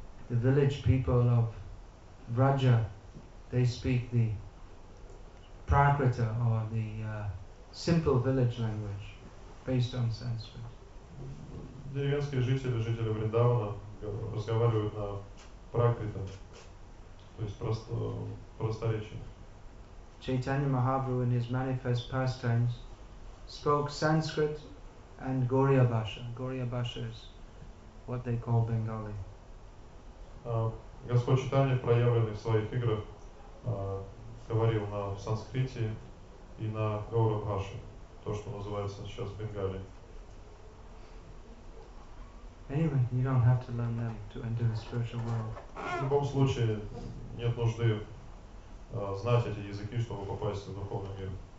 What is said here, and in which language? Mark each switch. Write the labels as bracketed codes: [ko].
[en] The village people of Raja, they speak the Prakrita or the simple village language. Based on Sanskrit. [ru] Деревенские жители Вриндавана разговаривают на пракрита, то есть просторечие. [en] Chaitanya Mahaprabhu in his manifest pastimes spoke Sanskrit and Gauriya Bhasha. Gauriya Bhasha is what they call Bengali. [ru] Господь Чайтанья, проявленный в своих играх, говорил на санскрите и на Гауриа Бхаше. То, что называется сейчас Бенгали. [en] Anyway, you don't have to learn them to enter the spiritual world. [ru] В любом случае, нет нужды знать эти языки, чтобы попасть в духовный мир.